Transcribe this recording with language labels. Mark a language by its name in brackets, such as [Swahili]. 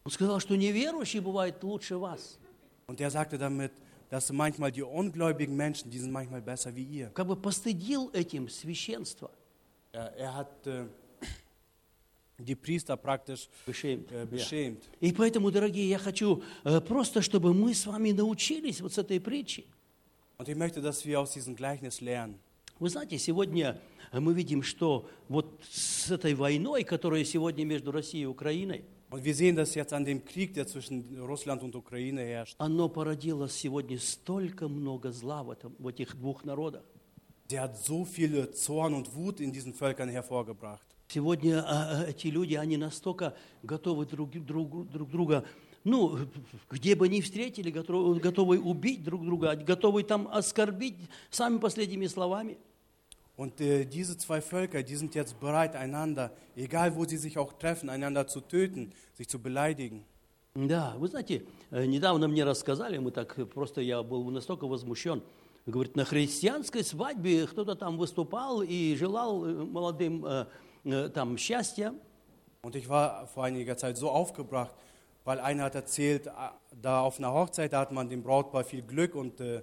[Russian] Он сказал, что неверующие бывают лучше вас. [German] Und er sagte damit, dass manchmal die ungläubigen Menschen, die sind manchmal besser wie ihr. [Russian] Как бы постыдил этим священство. [German] Er hat die Priester praktisch beschämt. [Russian] И поэтому, дорогие, я хочу просто, чтобы мы с вами научились вот с этой притчи. [German] Und ich möchte, dass wir aus diesem Gleichnis lernen. [Russian] Вы знаете, сегодня мы видим, что вот с этой войной, которая сегодня между Россией и Украиной, [German] und wir sehen das jetzt an dem Krieg, der zwischen Russland und Ukraine herrscht. [Russian] Оно породило сегодня столько много зла в этих двух народах. [German] Der hat so viel Zorn und Wut in diesen Völkern hervorgebracht. [Russian] Сегодня эти люди, они настолько готовы друг друга, ну, где бы ни встретили, готовы убить друг друга, готовы там оскорбить самыми последними словами. [German] Und diese zwei Völker, die sind jetzt bereit, einander, egal wo sie sich auch treffen, einander zu töten, sich zu beleidigen. [Russian] Да, вы знаете, недавно мне рассказали, мы так просто, я был настолько возмущен. Говорит, на христианской свадьбе кто-то там выступал и желал молодым... там счастье. [German] Und ich war vor einiger Zeit so aufgebracht, weil einer hat erzählt, da auf einer Hochzeit, da hat man dem Brautpaar viel Glück und